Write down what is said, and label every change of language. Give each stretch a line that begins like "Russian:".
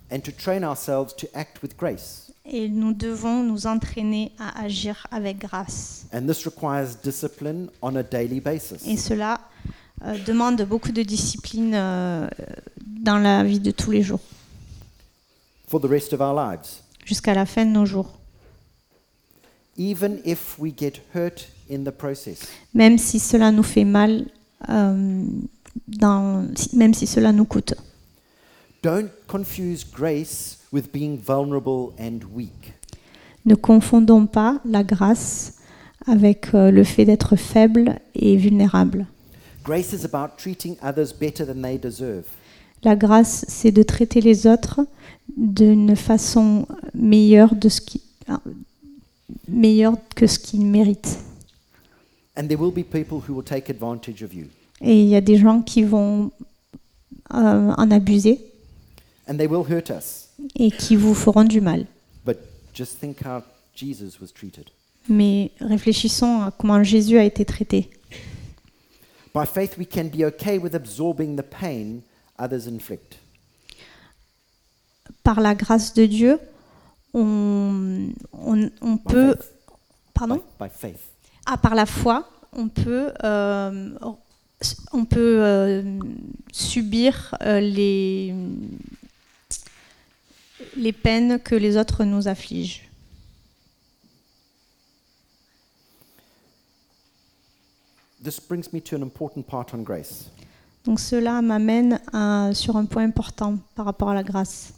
English: And to train ourselves to act with grace.
French: Et nous devons nous entraîner à agir avec grâce.
English: And this requires discipline on a daily basis.
French: Et cela demande beaucoup de discipline dans la vie de tous les jours.
English: For the rest of our lives.
French: Jusqu'à la fin de nos jours.
English: Even if we get hurt in the process.
French: Même si cela nous fait mal, même si cela nous coûte.
English: Don't confuse grace with being vulnerable and weak.
French: Ne confondons pas la grâce avec le fait d'être faible et vulnérable.
English: Grace is about treating others better than they deserve.
French: La grâce, c'est de traiter les autres d'une façon meilleure de ce qui meilleur que ce qu'il mérite.
English: And there will be people who will take advantage of you.
French: Et il y a des gens qui vont en abuser.
English: And they will hurt us.
French: Et qui vous feront du mal.
English: But just think how Jesus was treated.
French: Mais réfléchissons à comment Jésus a été traité.
English: By faith we can be okay with absorbing the pain others inflict.
French: Par la grâce de Dieu, on peut, pardon, par la foi, on peut subir les peines que les autres nous affligent.
English: This brings me to an important part on grace.
French: Donc cela m'amène sur un point important par rapport à la grâce.